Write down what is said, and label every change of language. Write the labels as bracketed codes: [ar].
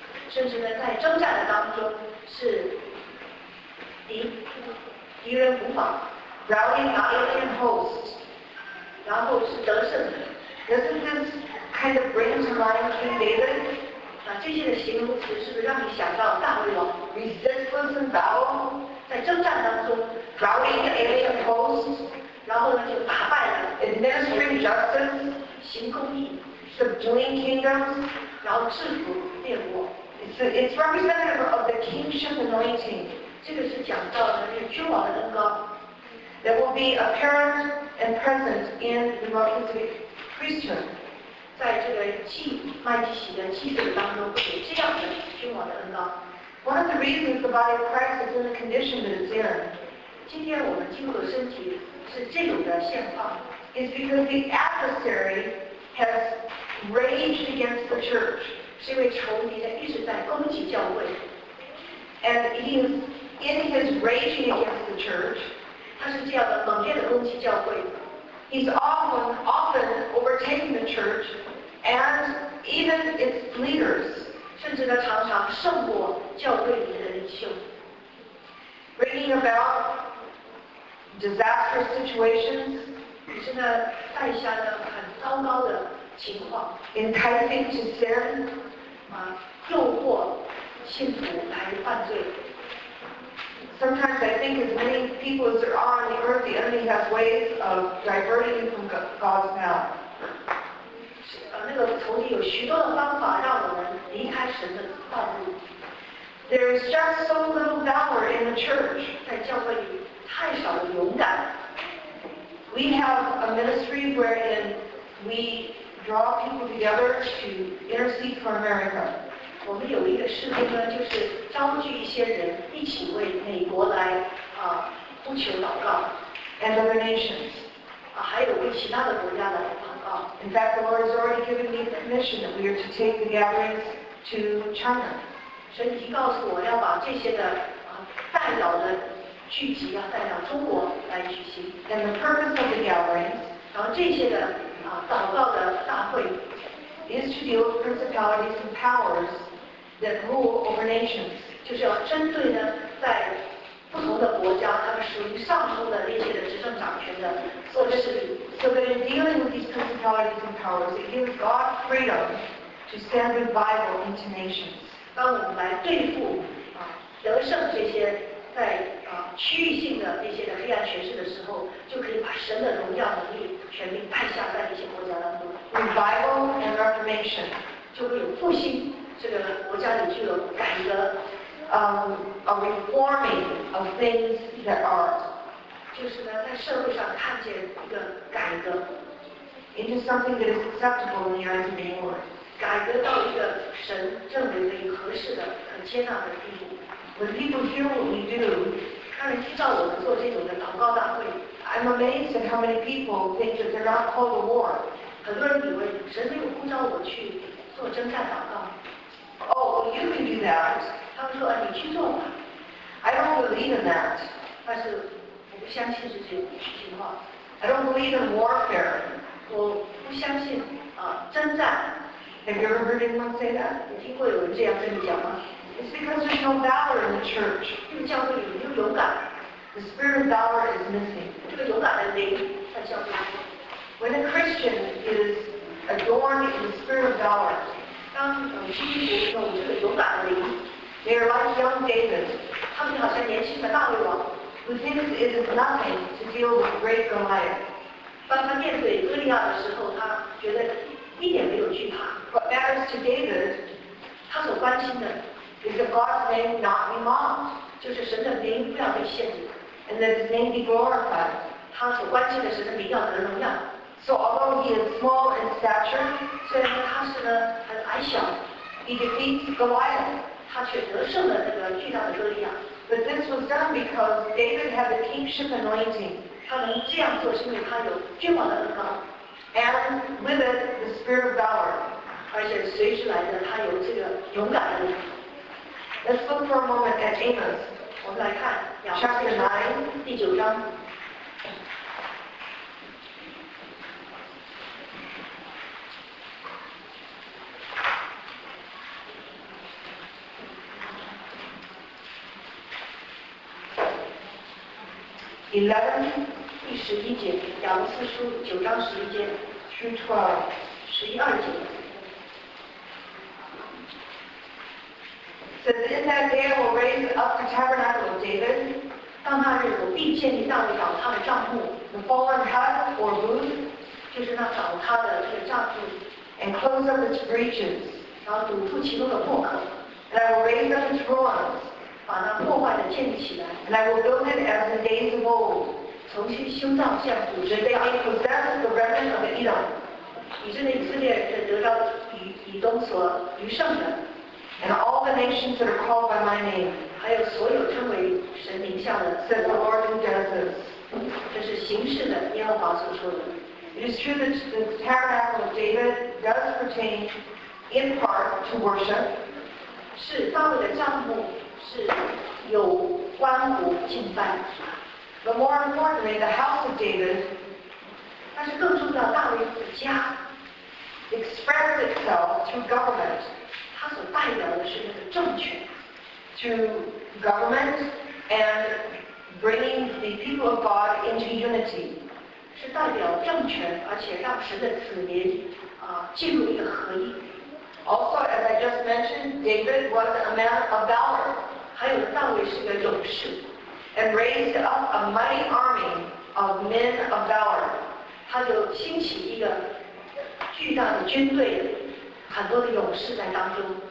[zh] 甚至呢在征战的当中是敌人无法 [en] ，rallying valiant hosts， [zh] 然后是得胜的。 [en] Doesn't this kind of bring to mind King David？ [zh] 那这些的形容词是不是让你想到大卫王 [en] ？Resistless in battle， [zh] 在征战当中 [en] ，rallying valiant hosts。 [zh] 然后呢，就打败了。 [en] Administering justice, [zh] 行公义。 [en] Subduing kingdoms, [zh] 然后制服列国。 [en] It's representative of the kingship anointing. [zh] 这个是讲到的是君王的恩膏。 [en] That will be apparent and present in the Melchizedek priesthood. [zh] 在这个祭麦基洗德祭司当中，会有这样的君王的恩膏。 [en] One of the reasons the body of Christ is in the condition that it's in. [zh] 今天我们基督的身体。是这种的现况 [en] is because the adversary has raged against the church. [zh] 是因为仇敌一直在攻击教会。 [en] And he's in his raging against the church. [zh] 他是这样的猛烈的攻击教会。 [en] He's often overtaking the church and even its leaders. [zh] 甚至呢常常胜过教会里的领袖。 [en] Bringing about disastrous situations. [zh] 是呢带下的很糟糕的情况。 [en] Enticing to sin. [zh] 诱惑信徒来犯罪。 [en] Sometimes I think as many people as there are on the earth, the enemy has ways of diverting you from God's path. [zh] 那个仇敌有许多的方法让我们离开神的道路。 [en] There is just so little valor in the church. [zh] 在教会里太少的勇敢。 [en] We have a ministry wherein we. Draw people together to intercede for America. [zh] 我们有一个事情呢，就是招聚一些人一起为美国来啊呼求祷告。 [en] And other nations. [zh] 啊，还有为其他的国家来祷告。 [en] In fact, the Lord has already given me the commission that we are to take the gatherings to China. [zh] 神已经告诉我要把这些的啊代表的聚集要带到中国来举行。 [en] And the purpose of the gatherings. [zh] 然后这些的。祷告的大会 [en] is to deal with principalities and powers that rule over nations. [zh] 就是要针对呢，在不同的国家，他们属于上述的那些的执政掌权的，或者是 [en] so that in dealing with these principalities and powers, it gives God freedom to send revival into nations. [zh] 当我们来对付得胜这些在区域性的那些的黑暗权势的时候，就可以把神的荣耀能力。全民拜下在一些国家当中 [en] ，revival and reformation [zh] 就会有复兴，这个国家里就有改革 [en] ，a reforming of things that are， [zh] 就是呢在社会上看见一个改革 [en] ，into something that is acceptable in the eyes of the Lord， [zh] 改革到一个神认为可以合适的、可接纳的地步。 [en] When people hear what we do， [zh] 他们听到我们做这种的祷告大会。 [en] I'm amazed at how many people think that they're not called to war. [zh] 很多人以为神没有呼召我去做征战祷告。 [en] Oh, you can do that. [zh] 他们说啊，你去做吧。 [en] I don't believe in that. [zh] 但是我不相信是这种情况。 [en] I don't believe in warfare. [zh] 我不相信啊征战。 [en] Have you ever heard anyone say that? [zh] 你听过有人这样跟你讲吗 [en] ？It's because there's no valor in the church. [zh] 因为教会里没有勇敢。 [en] The spirit of valor is missing. [zh] 这个勇敢的灵在教会中。 [en] When a Christian is adorned in the spirit of valor, [zh] 当基督徒有这个勇敢的灵 [en] they are like young David. [zh] 他们就好像年轻的大卫王 [en] who thinks it is nothing to deal with great Goliath. [zh] 当他面对哥利亚的时候，他觉得一点没有惧怕。 [en] What matters to David? [zh] 他所关心的 [en] is that God's name not be mocked. [zh] 就是神的名不要被亵渎 [en] ，and that his name be glorified. [zh] 他所关心的神的名要得荣耀。 [en] So although he is small in stature, [zh] 虽然他是呢很矮小 [en] ，he defeats Goliath. [zh] 他却得胜了那个巨大的哥利亚。 [en] But this was done because David had the kingship anointing. [zh] 他能这样做是因为他有君王的恩膏。 [en] And with it, the spirit of valor. [zh] 而且随之来的他有这个勇敢的力量。 [en] Let's look for a moment at Amos. [zh] 我们来看 [en] chapter 9, [zh] 第九章。 [en] 11, [zh] 第十一节，亚摩斯书九章十一节。 [en] Through 12, [zh] 十一二节。 [en] Says in that day I will raise up the tabernacle of David. [zh] 当那日我必建立大卫倒塌的帐幕。 [en] The fallen hut or booth, [zh] 就是那倒塌的那个帐幕。 [en] And close up its breaches, [zh] 然后堵住其中的破口。 [en] And I will raise up its ruins, [zh] 把那破坏的建立起来。 [en] And I will build it as the days of old, [zh] 重新修造像古时。 [en] They may possess the remnant of Edom, [zh] 以致呢以色列得到以东所余剩的。 [en] And all the nations that are called by my name, [zh] 还有所有称为神名下的 [en] said the Lord who does this, [zh] 这是行事的耶和华所说的 [en] It is true that the tabernacle of David does pertain in part to worship. [zh] 是大卫的帐幕是有关乎敬拜。 [en] But more importantly, the house of David. [zh] 但是更重要，大卫的家。 [en] Expresses itself through government. [zh] 它所代表的是那个政权。 [en] Through government and bringing the people of God into unity. [zh] 是代表政权，而且让神的子民啊进入一个合一。 [en] Also, as I just mentioned, David was a man of valor. [zh] 还有大卫是个勇士。 [en] And raised up a mighty army of men of valor. [zh] 他就兴起一个巨大的军队，很多的勇士在当中。